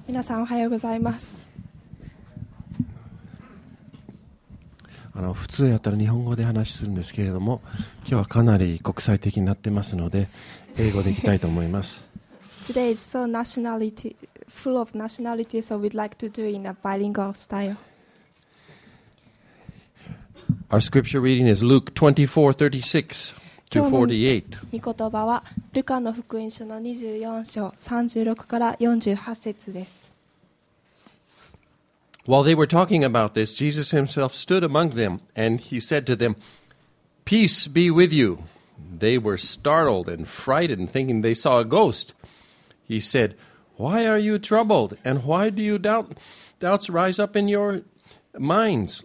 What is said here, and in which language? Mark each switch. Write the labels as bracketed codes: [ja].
[ja] 皆さんおはようございます。普通やったら日本語で話するんですけれども、今日はかなり国際的になってますので英語でいきたいと思います。 [en] Today is so nationality, full of nationality, so we'd like to do in a bilingual style. Our scripture reading is Luke 24:36 [ja] 今日の御言葉はルカの福音書の24章36から48節です。 [en] While they were talking about this, Jesus himself stood among them, and he said to them, Peace be with you. They were startled and frightened, thinking they saw a ghost. He said, Why are you troubled, and why do you doubts rise up in your minds?